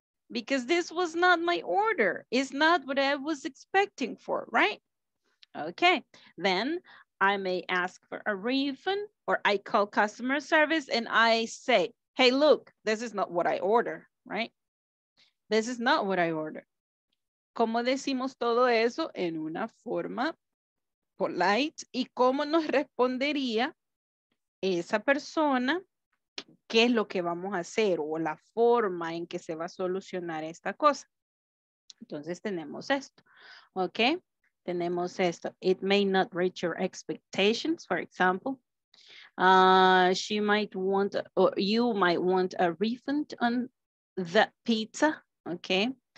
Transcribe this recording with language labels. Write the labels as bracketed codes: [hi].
[en] Because this was not my order. It's not what I was expecting for, right? Okay, then I may ask for a refund, or I call customer service and I say, hey, look, this is not what I order, right? This is not what I order. [es] ¿Cómo decimos todo eso en una forma polite? ¿Y cómo nos respondería esa persona? ¿Qué es lo que vamos a hacer o la forma en que se va a solucionar esta cosa? Entonces tenemos esto, ¿ok? Tenemos esto. [en] It may not reach your expectations, for example. She might want, or you might want a refund on that pizza, ¿ok?